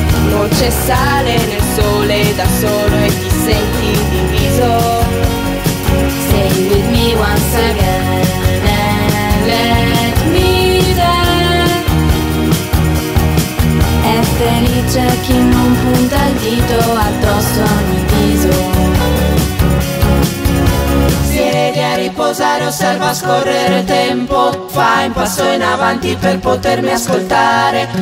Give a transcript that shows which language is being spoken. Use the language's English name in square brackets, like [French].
[Italian] Non c'è sale nel sole, da solo e ti senti diviso. [English] Stay with me once again and let me dance. [Italian] È felice chi non punta il dito addosso a ogni viso. Siedi a riposare, osserva scorrere il tempo. Fai un passo in avanti per potermi ascoltare.